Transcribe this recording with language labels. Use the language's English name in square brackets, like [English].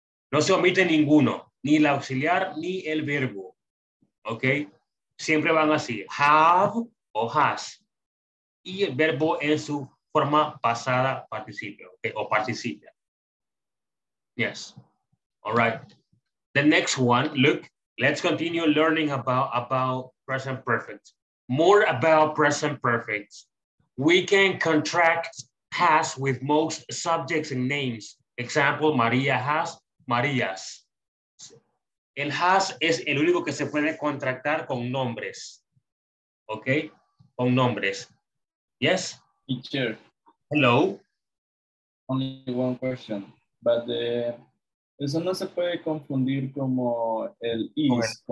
[Spanish] No se omite ninguno, ni el auxiliar ni el verbo. Okay? Siempre van así, have o has. Y el verbo en su forma pasada participio, okay, o participia. [English] Yes. All right. The next one, look, let's continue learning about present perfect. More about present perfect. We can contract has with most subjects and names. Example, María has, Marías. [Spanish] El has es el único que se puede contractar con nombres. Okay? Con nombres. Yes? [English] Teacher. Hello. Only one question, but [Spanish] eso no se puede confundir como el is okay.